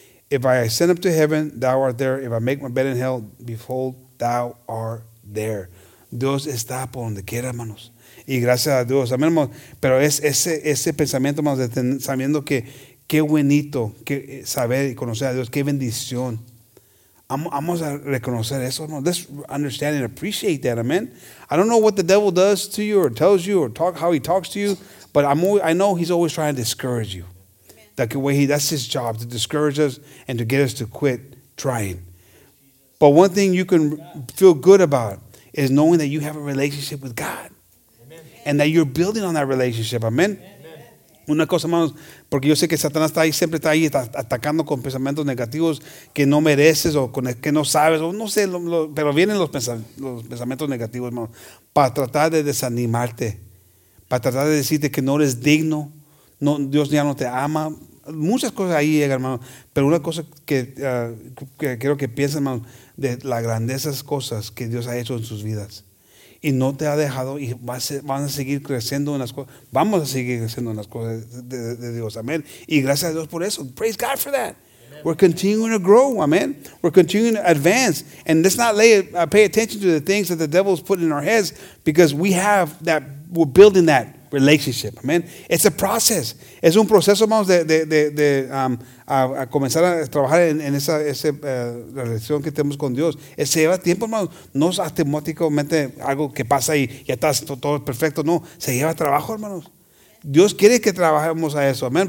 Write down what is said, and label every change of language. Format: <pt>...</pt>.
<en>If I ascend up to heaven, thou art there. If I make my bed in hell, behold, thou art there.</en> <es>Dios está por donde quiera, hermanos. Y gracias a Dios. Amén, hermanos. Pero es ese pensamiento, hermanos, de sabiendo que qué buenito que saber y conocer a Dios, qué bendición. Vamos a reconocer eso, hermanos.</es> <en>Let's understand and appreciate that, amen. I don't know what the devil does to you or tells you or how he talks to you, but I know he's always trying to discourage you. That's his job, to discourage us and to get us to quit trying. But one thing you can feel good about is knowing that you have a relationship with God. And that you're building on that relationship. Amen.</en> <es>Una cosa, hermanos, porque yo sé que Satanás está ahí, siempre está ahí, está atacando con pensamientos negativos que no mereces o con que no sabes, o no sé, pero vienen los pensamientos negativos, hermanos, para tratar de desanimarte, para tratar de decirte que no eres digno, no, Dios ya no te ama. Muchas cosas ahí llegan, hermanos, pero una cosa que quiero que piensen, hermanos, de la grandeza de esas cosas que Dios ha hecho en sus vidas. Y no te ha dejado y van a seguir creciendo en las cosas. Vamos a seguir creciendo en las cosas de Dios.</es> <en>Amén.</en> <es>Y gracias a Dios por eso.</es> <en>Praise God for that. Amen. We're continuing to grow. Amen. We're continuing to advance. And let's not pay attention to the things that the devil's put in our heads, because we have that, we're building that relationship. Amen. It's a process.</en> <es>Es un proceso, hermanos, a comenzar a trabajar en esa relación que tenemos con Dios. Se lleva tiempo, hermanos. No es automáticamente algo que pasa y ya estás todo perfecto. No, se lleva trabajo, hermanos. Dios quiere que trabajemos a eso. Amén.</es>